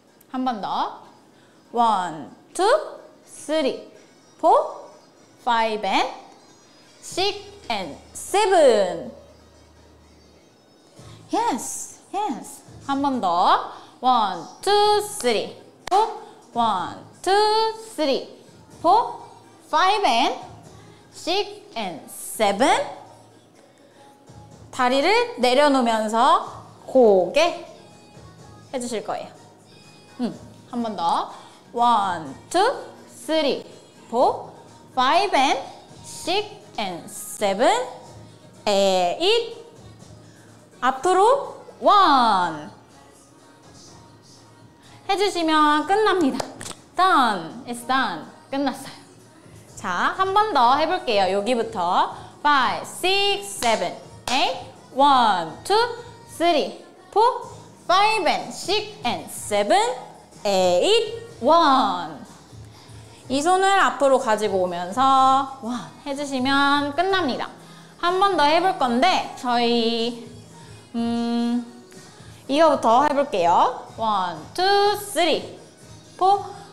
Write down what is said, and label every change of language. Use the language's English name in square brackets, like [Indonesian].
[Korean] 한 번 더 [English] one two three four five and six and seven Yes, yes. [Korean] 한 번 더. [English] One, two, three, four. One, two, three, four, five, and six and seven. [Korean] 다리를 내려놓으면서 고개 해주실 거예요. 한 번 더. [English] One, two, three, four, five and six and seven, eight. [Korean] 앞으로 [English] one. [Korean] 해주시면 끝납니다. [English] Done. It's done. [Korean] 끝났어요. 자, 한 번 더 해볼게요. 여기부터. [English] Five, six, seven, eight. One, two, three, four, five and six and seven, eight, one. [Korean] 이 손을 앞으로 가지고 오면서 one 해주시면 끝납니다. 한 번 더 해볼 건데 저희 이거부터 해볼게요. [English] One, two, three, four.